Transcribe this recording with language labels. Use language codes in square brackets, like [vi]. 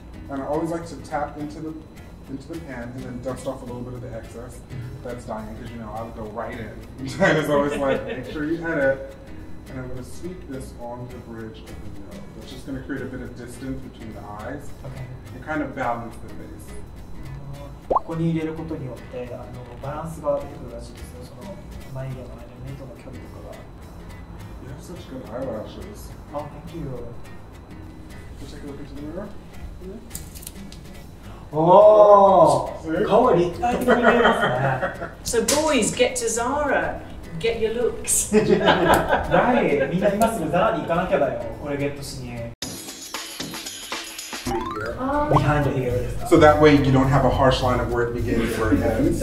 [en] And I always like to tap into the pan and then dust off a little bit of the excess that's dying, because you know, I would go right in. Diana's always like, make sure you edit. And I'm going to sweep this on the bridge of the nose. It's just going to create a bit of distance between the eyes. Okay. And kind of balance the face. [ja] ここに入れることによってバランスが出てくるらしいですよ。その眉毛の間、目との距離とかが。 [en] You have such good eyelashes. Oh, thank you. Can you take a look into the mirror? Yeah. Oh! [ja] 顔が立体的に見えますね。 [en] So boys, get to Zara. Get your looks. Right. [ja] みんな今すぐ Zara に行かなきゃだよ。これゲットしに。 [en] Behind the ear. So that way you don't have a harsh line of where it begins and where it ends.